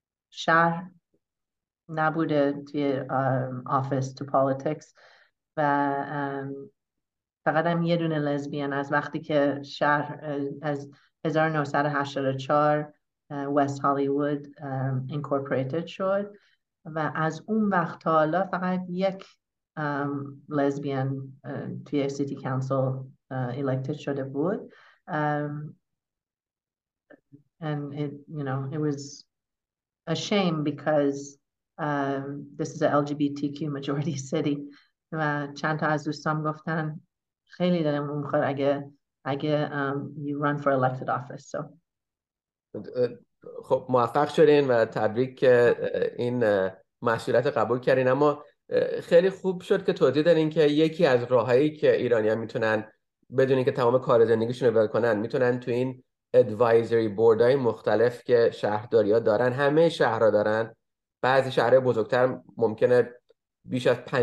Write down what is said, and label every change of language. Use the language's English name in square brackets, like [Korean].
[Persian] شهر نبوده توی آفیس تو پالیتیکس و فقط هم یه دونه لزبیان از وقتی که شهر از 1984 وست هالیوود اینکورپوریتد شد و از اون وقت تا حالا فقط یک لزبیان توی سیتی کانسل الیکتد شده بود. [English] And it was a shame because this is a LGBTQ majority city. [Persian] و چند تا از دوستام گفتن خیلی دلمون میخواد اگه [English] you run for elected office. So [Persian] خب موفق شدین و تبریک. این مسئولیت قبول کردین، اما خیلی خوب شد که توضیح دادین که یکی از راههایی که ایرانی‌ها میتونن بدون اینکه تمام کار زندگیشون رو ول کنن، میتونن تو این ادوایزری بوردهای مختلف که شهرداری‌ها دارن، همه شهرها دارن، بعضی شهرهای بزرگتر ممکنه بیش از